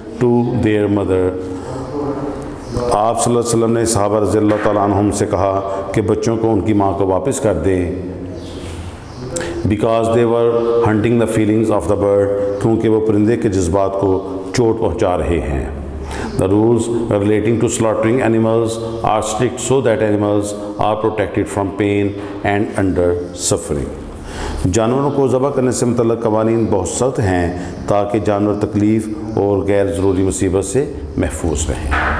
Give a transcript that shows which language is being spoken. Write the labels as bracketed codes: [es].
[en] to their mother. [ur] آپ صلی اللہ علیہ وسلم نے صحابہ رضی اللہ تعالیٰ عنہم سے کہا کہ بچوں کو ان کی ماں کو واپس کر دیں. [en] Because they were hunting the feelings of the bird, [ur] کیونکہ وہ پرندے کے جذبات کو چوٹ پہنچا رہے ہیں. [en] The rules relating to slaughtering animals are strict so that animals are protected from pain and under suffering. [ur] جانوروں کو ذبح کرنے سے متعلق قوانین بہت سخت ہیں تاکہ جانور تکلیف اور غیر ضروری مصیبت سے محفوظ رہیں.